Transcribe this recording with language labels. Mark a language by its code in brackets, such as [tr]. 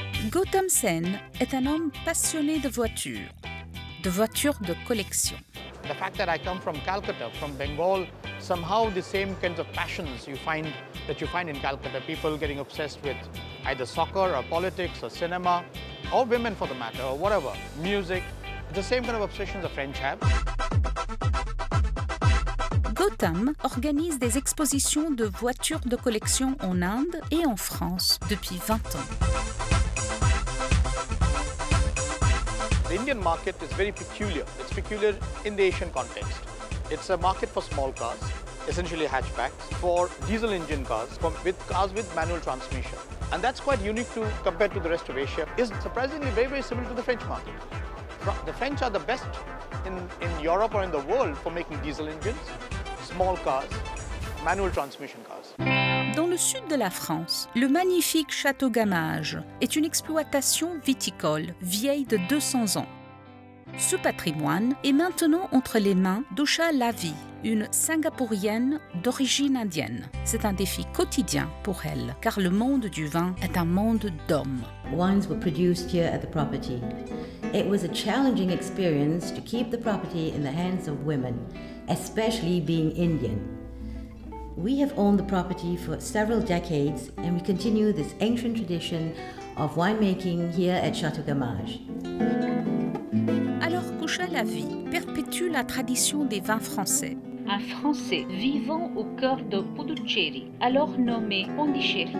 [fr] Gautam Sen est un homme passionné de voitures de collection. [en] The fact that I come from Calcutta, from Bengal, somehow the same kinds of passions you find in Calcutta, people getting obsessed with either soccer or politics or cinema, or women for the matter, or whatever, music, the same kind of obsessions the French have. [fr] Gautam organise des expositions de voitures de collection en Inde et en France depuis 20 ans. [en] The Indian market is very peculiar. It's peculiar in the Asian context. It's a market for small cars, essentially hatchbacks, for diesel engine cars, with cars with manual transmission. And that's quite unique to compared to the rest of Asia. It's surprisingly very, very similar to the French market. The French are the best in Europe or in the world for making diesel engines, small cars, manual transmission cars. [fr] Dans le sud de la France, le magnifique château Gamage est une exploitation viticole vieille de 200 ans. Ce patrimoine est maintenant entre les mains d'Usha Lavi, une Singapourienne d'origine indienne. C'est un défi quotidien pour elle, car le monde du vin est un monde d'hommes. [en] Wines were produced here at the property. It was a challenging experience to keep the property in the hands of women, especially being Indian. We have owned the property for several decades and we continue this ancient tradition of winemaking here at Château Gamage. [fr] Alors qu'Usha Lavi perpétue la tradition des vins français. Un Français vivant au cœur de Puducherry, alors nommé Pondichéry,